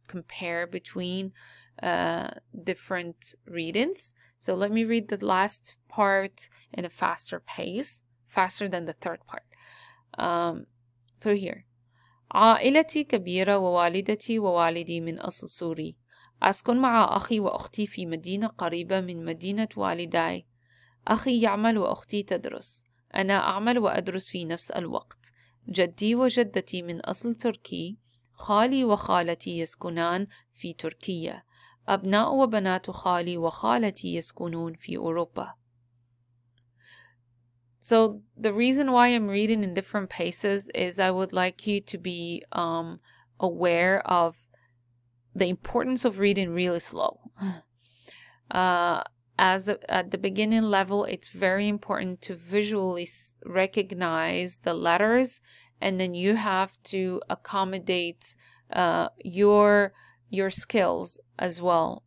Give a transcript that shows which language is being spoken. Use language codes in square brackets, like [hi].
[en] compare between different readings. So let me read the last part in a faster pace, faster than the third part. So here, [ar] عائلتي كبيرة ووالدتي ووالدي من أصل سوري. أسكن مع أخي وأختي في مدينة قريبة من مدينة والداي. أخي يعمل وأختي تدرس. أنا أعمل وأدرس في نفس الوقت. جدي وجدتي من أصل تركي. خالي وخالتي يسكنان في تركيا. أبناء وبنات خالي وخالتي يسكنون في أوروبا. [en] So the reason why I'm reading in different paces is I would like you to be aware of the importance of reading really slow. At the beginning level, it's very important to visually recognize the letters, and then you have to accommodate your skills as well.